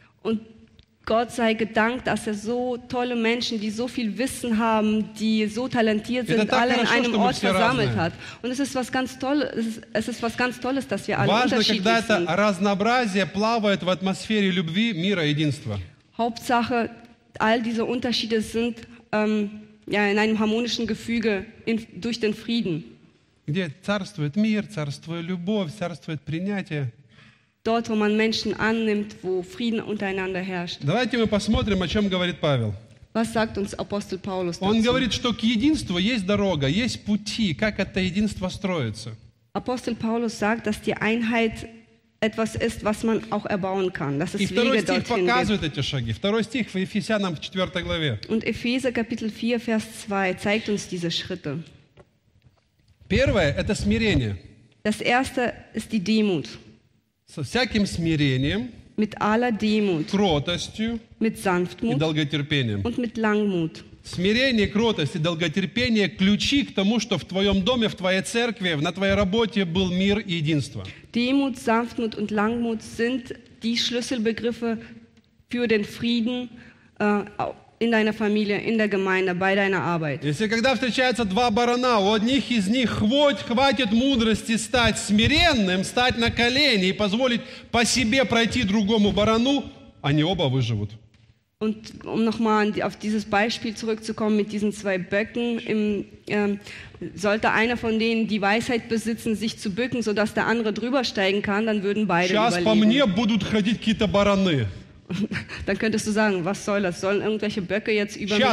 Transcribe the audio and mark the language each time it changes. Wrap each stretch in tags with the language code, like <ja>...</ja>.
<de>Und Gott sei gedankt, dass er so tolle Menschen, die so viel Wissen haben, die so talentiert sind, alle in einem Ort versammelt hat. Und es ist was ganz Tolles, dass wir alle unterschiedlich sind. Hauptsache, all diese Unterschiede sind ja, in einem harmonischen Gefüge durch den Frieden.</de> <ru>Где царствует мир, царствует любовь, царствует принятие.</ru> <de>Dort, wo man Menschen annimmt, wo Frieden untereinander herrscht.</de> <ru>Давайте мы посмотрим, о чем говорит Павел.</ru> <de>Was sagt uns Apostel Paulus dazu?</de> <ru>Он говорит, что к единству есть дорога, есть пути, как это единство строится.</ru> <de>Апостол Паулус sagt, dass die Einheit etwas ist, was man auch erbauen kann. Das ist Wege dorthin gibt.</de> <ru>Второй стих в Ефесянам, 4 главе.</ru> <de>Und Epheser Kapitel 4, Vers 2 zeigt uns diese Schritte.</de> <ru>Первое – это смирение.</ru> <de>Das erste ist die Demut.</de> <ru>Со всяким смирением.</ru> <de>Mit aller Demut.</de> <ru>Кротостью.</ru> <de>Mit Sanftmut.</de> <ru>И долготерпением.</ru> <de>Und mit Langmut.</de> <ru>Смирение, кротость и долготерпение – ключи к тому, что в твоем доме, в твоей церкви, на твоей работе был мир и единство.</ru> <de>Demut, Sanftmut und Langmut sind die Schlüsselbegriffe für den Frieden in deiner Familie, in der Gemeinde, bei deiner Arbeit.</de> <ru>Если когда встречаются два барана, у одних из них хватит мудрости стать смиренным, стать на колени и позволить по себе пройти другому барану, они оба выживут.</ru> <de>Und nochmal auf dieses Beispiel zurückzukommen mit diesen zwei Böcken, sollte einer von denen die Weisheit besitzen, sich zu bücken, sodass der andere drüber steigen kann, dann würden beide überleben. Dann könntest du sagen, was soll das? Sollen irgendwelche Böcke jetzt über mich</de>